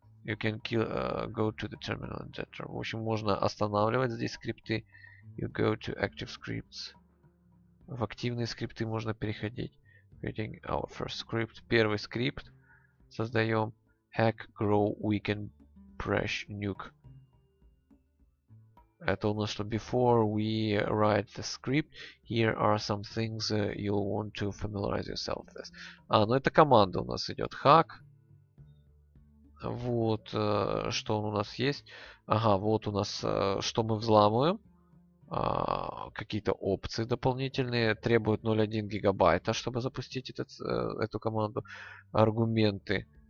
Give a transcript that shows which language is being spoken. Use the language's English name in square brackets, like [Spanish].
[English] You can kill, go to the terminal editor. [Russian] В общем, можно останавливать здесь скрипты. [English] You go to active scripts. [Russian] В активные скрипты можно переходить. [English] Creating our first script. [Russian] Первый скрипт создаем. [English] Hack, grow, weaken, press, nuke. [Russian] Это у нас что? [English] Before we write the script, here are some things you'll want to familiarize yourself with. [Russian] А, ну это команда у нас идет. Hack. Вот что у нас есть. Ага, вот у нас что мы взламываем. Какие-то опции дополнительные требуют 0.1 гигабайта, чтобы запустить этот, эту команду. Аргументы.